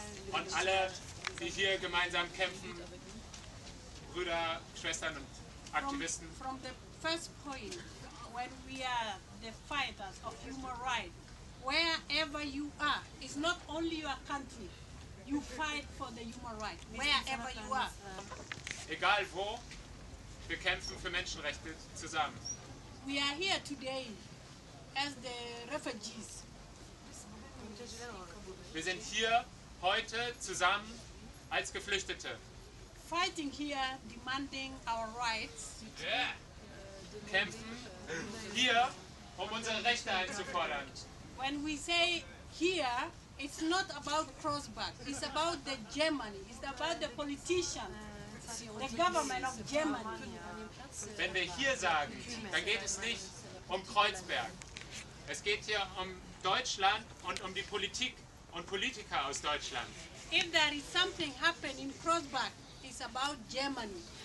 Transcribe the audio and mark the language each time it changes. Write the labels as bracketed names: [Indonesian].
[German] Und alle, die hier gemeinsam kämpfen, Brüder, Schwestern und Aktivisten. [English] From the first point. When we are the fighters of human rights, wherever you are, it's not only your country, you fight for the human rights, wherever you are. [German] Egal wo, wir kämpfen für Menschenrechte zusammen. [English] We are here today as the refugees. [German] Wir sind hier heute zusammen als Geflüchtete. [English] Fighting here, demanding our rights. [German] Yeah. Kämpfen hier, um unsere Rechte einzufordern. [English] When we say here, it's not about Kreuzberg, it's about the Germany, it's about the politician, the government of Germany. [German] Wenn wir hier sagen, dann geht es nicht um Kreuzberg. Es geht hier um Deutschland und um die Politik und Politiker aus Deutschland. [English] If there is something happening in Kreuzberg, it's about Germany.